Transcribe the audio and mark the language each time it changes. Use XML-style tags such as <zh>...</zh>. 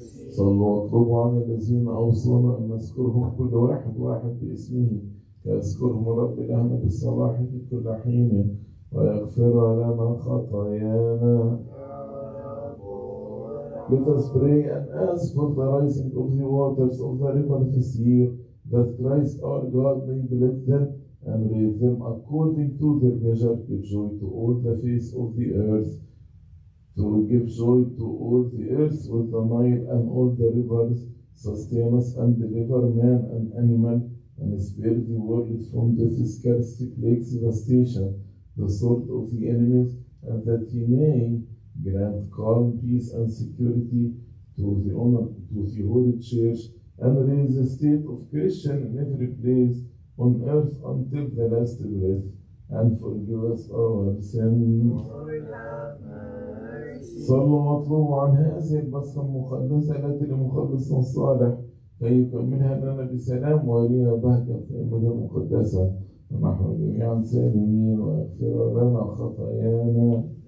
<ar>صلوا واطلبوا عن الذين أوصونا أن نذكرهم كل واحد واحد باسمه فيذكرهم ربي لهم بالصلاح في كل حين ويغفر لنا خطايانا.</ar> <en>Let us pray and ask for the rising of the waters of the river this year, that Christ our God may bless them and raise them according to their measure, give joy to all the face of the earth, to give joy to all the earth with the Nile and all the rivers, sustain us and deliver man and animal, and spare the world from this scarcity, plague, devastation, the sword of the enemies, and that he may grant calm, peace, and security to the honor to the Holy Church and raise the state of Christian in every place on earth until the last breath and forgive us our sins.</en> <ar>صلوا واطلبوا عن هذه البصرة المقدسة التي لمخلص صالح فيكملها لنا بسلام ويرينا بهجة في المدينة المقدسة ونحن جميعا سالمين ويغفر لنا خطايانا.</ar>